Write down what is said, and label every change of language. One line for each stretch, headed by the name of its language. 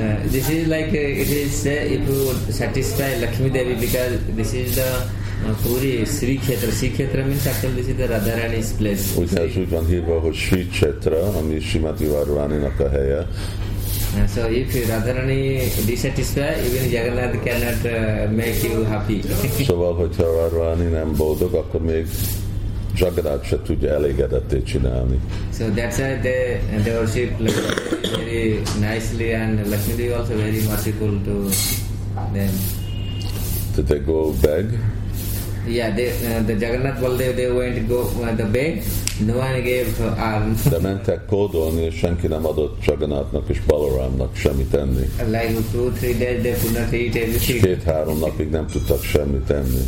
English: This is like it is say if you satisfy Lakshmi Devi because this is the puri Sri Khetra. Sri Khetra means actually this is the Radharani's place.
Hungarian: Ugyanaz úgy van hívva, hogy Sri Khetra, ami Srimati Varvaninak a helye.
English: So if Radharani dissatisfied, even Jagannath cannot make you happy.
Hungarian: Szóval, hogyha Varvani nem boldog, akkor még Jagannath se tudja elégedetté csinálni.
English: So that's why they worship very nicely and Lakshmi Devi also very merciful to them. Did they go beg? Yeah, the Jagannath Baldev, they went to go the beg. No one gave alms.
Hungarian: De mentek kódolni, és senki nem adott Jagannathnak és Balarámnak semmit enni.
English: Like 2-3 days they could not eat anything.
Hungarian: 2-3 napig nem tudtak semmit enni.